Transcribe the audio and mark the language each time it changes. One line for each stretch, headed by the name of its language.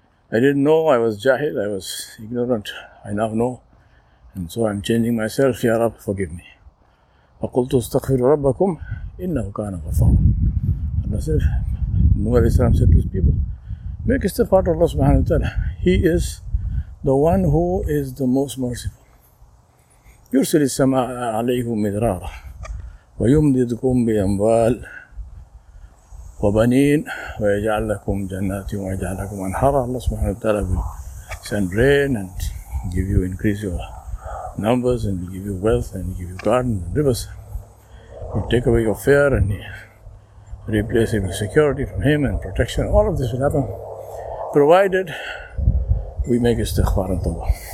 English: I didn't know, I was jahil, I was ignorant. I now know, and so I'm changing myself. Ya Rab, forgive me.
Arabic: فَقُلْتُ اسْتَغْفِرُ رَبَّكُمْ إِنَّهُ كَانَ غَفَّارًا.
English: Allah said, Nuh alayhi salam said to his people, make istighfar to Allah subhanahu wa ta'ala. He is the one who is the most merciful.
Arabic: يُرْسِلِ السَّمَاءَ عَلَيْهُمْ مِدْرَارًا وَيُمْدِدْكُمْ بِأَمْوَالٍ وبنين ويجعل لكم جنات ويجعل لكم أنهار.
English: Allah subhanahu wa ta'ala will send rain and give you, increase your numbers, and give you wealth, and give you gardens and rivers. He'll take away your fear and replace it with security from him and protection. All of this will happen provided we make istighfar and tawbah.